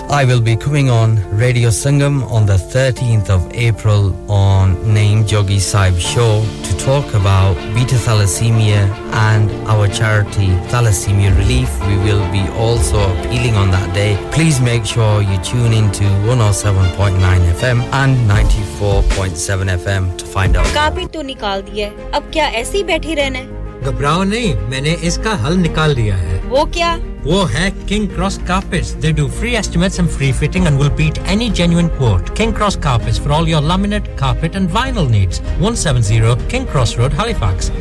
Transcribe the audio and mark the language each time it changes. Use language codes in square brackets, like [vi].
[en] I will be coming on Radio Sangam on the 13th of April on Naim Jogi Saib Show to talk about beta thalassemia and our charity Thalassemia Relief. We will be also appealing on that day. Please make sure you tune in to 107.9 FM and 94.7 FM to find [hi] काफी तो निकाल दिया है अब क्या ऐसे ही बैठी रहना है घबराओ नहीं मैंने इसका हल निकाल दिया है वो क्या Wo hai [en] King Cross Carpets. They do free estimates and free fitting and will beat any genuine quote. King Cross Carpets for all your laminate, carpet and vinyl needs. 170 King Cross Road, Halifax.